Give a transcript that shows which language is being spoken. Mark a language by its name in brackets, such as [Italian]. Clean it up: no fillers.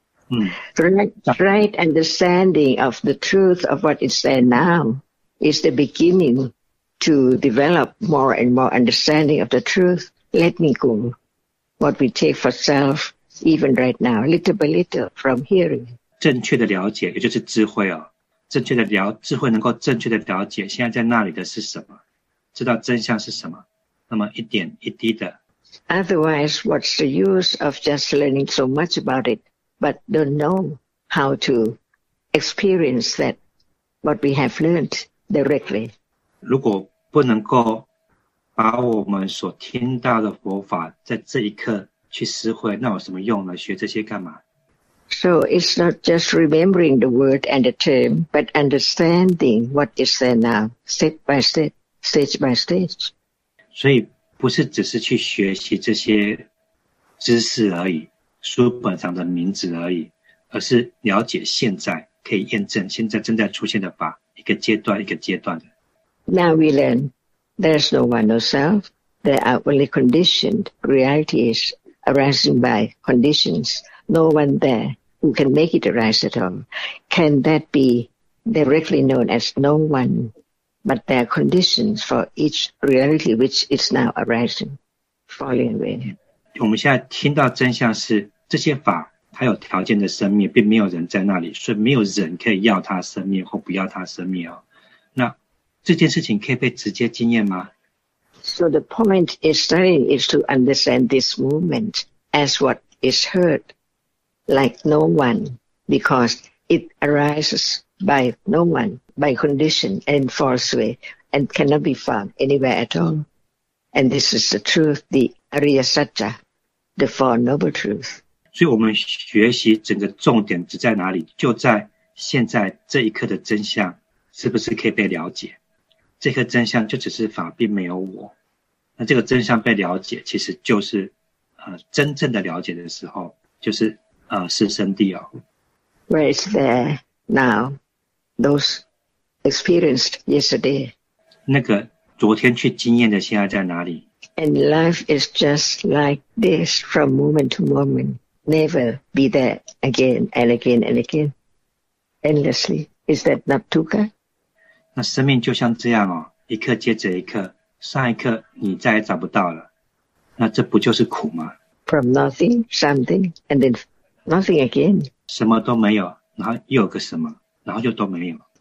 [English] Right understanding of the truth of what is there now is the beginning to develop more and more understanding of the truth, letting go, what we take for self, even right now, little by little, from hearing. [Chinese] 正确的了解，也就是智慧哦。正确的了，智慧能够正确的了解现在在那里的是什么，知道真相是什么，那么一点一滴的。 [English] Otherwise, what's the use of just learning so much about it, but don't know how to experience that, what we have learned directly? [Chinese] 如果不能够把我们所听到的佛法在这一刻去实会，那有什么用呢？学这些干嘛？ [English] So it's not just remembering the word and the term, but understanding what is there now, step by step, stage by stage. [Chinese] 所以不是只是去学习这些知识而已，书本上的名字而已，而是了解现在可以验证现在正在出现的法，一个阶段一个阶段的。 [English] Now we learn, there's no one, no self. There are only conditioned realities arising by conditions. No one there who can make it arise at all. Can that be directly known as no one? But there are conditions for each reality which is now arising, falling away. [Chinese] 我们现在听到真相是这些法它有条件的生灭，并没有人在那里，所以没有人可以要它生灭或不要它生灭哦。那这件事情可以被直接经验吗？ [English] So the point is studying is to understand this movement as what is heard. Like no one, because it arises by no one, by condition and false way, and cannot be found anywhere at all. And this is the truth, the Arya Satya, the Four Noble Truths. [Chinese] 所以我们学习整个重点只在哪里？就在现在这一刻的真相是不是可以被了解？这颗真相就只是法，并没有我。那这个真相被了解，其实就是真正的了解的时候，就是。是圣地哦。 [English] Where is there now? Those experienced yesterday. [Chinese] 那个昨天去经验的现在在哪里？ [English] And life is just like this from moment to moment. Never be there again and again and again. Endlessly. Is that not dukkha? [Chinese] 那生命就像这样哦，一刻接着一刻，上一刻你再也找不到了。那这不就是苦吗？ [English] From nothing, something, and then... Nothing again. [Chinese] 什么都没有，然后又有个什么，然后又都没有。